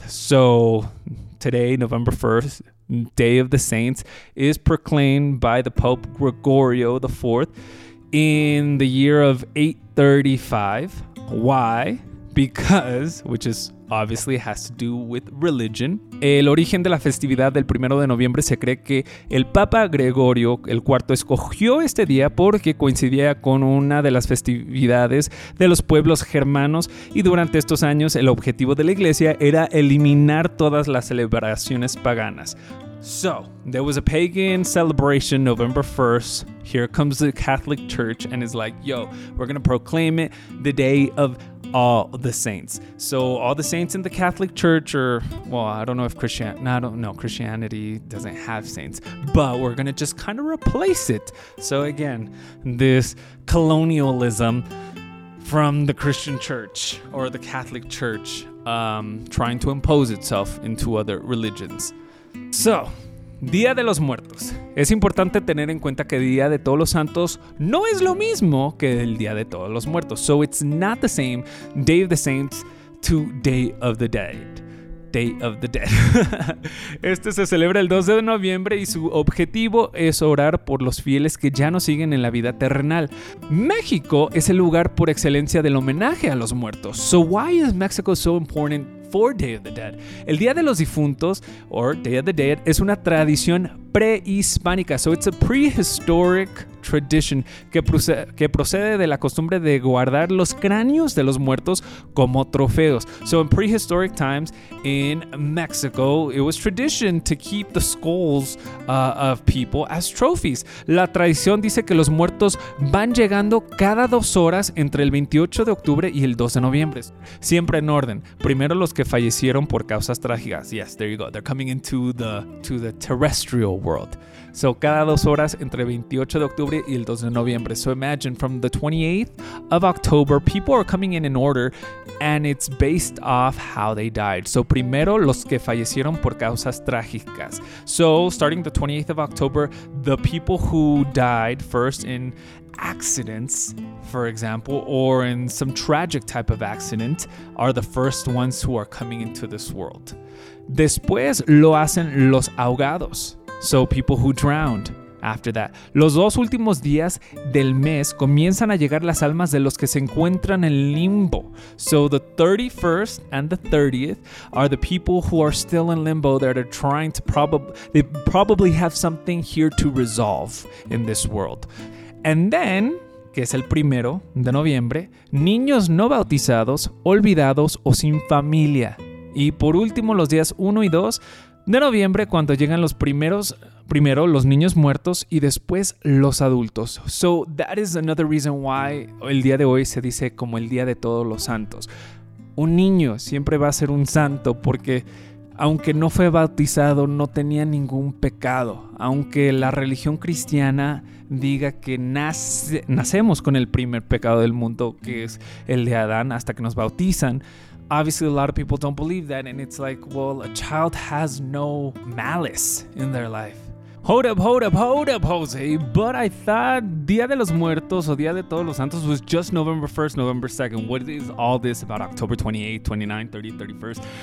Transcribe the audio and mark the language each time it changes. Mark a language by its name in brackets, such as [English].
[English] So today, November 1st, Day of the Saints, is proclaimed by the Pope Gregorio IV. In the year of 835. Why? Because, which is obviously has to do with religion. [Spanish] El origen de la festividad del primero de noviembre se cree que el Papa Gregorio el IV escogió este día porque coincidía con una de las festividades de los pueblos germanos, y durante estos años el objetivo de la iglesia era eliminar todas las celebraciones paganas. [English] So, there was a pagan celebration November 1st. Here comes the Catholic Church and is like, yo, we're going to proclaim it the day of all the saints. So, all the saints in the Catholic Church are, well, I don't know if Christianity doesn't have saints, but we're going to just kind of replace it. So, again, this colonialism from the Christian Church or the Catholic Church trying to impose itself into other religions. So, [Spanish] Día de los Muertos. Es importante tener en cuenta que Día de Todos los Santos no es lo mismo que el Día de Todos los Muertos. [English] So it's not the same Day of the Saints to Day of the Dead. Day of the Dead. [Spanish] Este se celebra el 12 de noviembre y su objetivo es orar por los fieles que ya no siguen en la vida terrenal. México es el lugar por excelencia del homenaje a los muertos. [English] So why is Mexico so important for Day of the Dead? [Spanish] El Día de los Difuntos, [English] or Day of the Dead, [Spanish] es una tradición prehispánica. [English] So it's a prehistoric tradition [Spanish] que procede de la costumbre de guardar los cráneos de los muertos como trofeos. [English] So in prehistoric times in Mexico, it was tradition to keep the skulls of people as trophies. [Spanish] La tradición dice que los muertos van llegando cada dos horas entre el 28 de octubre y el 2 de noviembre. Siempre en orden. Primero los que fallecieron por causas trágicas. [English] Yes, there you go. They're coming into the terrestrial world. [Spanish] So cada dos horas entre 28 de octubre y el 2 de noviembre. [English] So imagine from the 28th of October, people are coming in order and it's based off how they died. [Spanish] So primero los que fallecieron por causas trágicas. [English] So starting the 28th of October, the people who died first in accidents, for example, or in some tragic type of accident are the first ones who are coming into this world. [Spanish] Después lo hacen los ahogados. [English] So people who drowned after that. [Spanish] Los dos últimos días del mes comienzan a llegar las almas de los que se encuentran en limbo. [English] So the 31st and the 30th are the people who are still in limbo that are trying to probably have something here to resolve in this world. And then, [Spanish] que es el primero de noviembre, niños no bautizados, olvidados o sin familia. Y por último, los días 1 y 2 de noviembre, cuando llegan los primeros, primero los niños muertos y después los adultos. [English] So that is another reason why [Spanish] el día de hoy se dice como el día de todos los santos. Un niño siempre va a ser un santo porque aunque no fue bautizado, no tenía ningún pecado. Aunque la religión cristiana diga que nacemos con el primer pecado del mundo, que es el de Adán, hasta que nos bautizan. [English] Obviously, a lot of people don't believe that, and it's like, well, a child has no malice in their life. Hold up, Jose, but I thought Día de los Muertos or Día de Todos los Santos was just November 1st, November 2nd. What is all this about October 28th, 29th, 30th, 31st?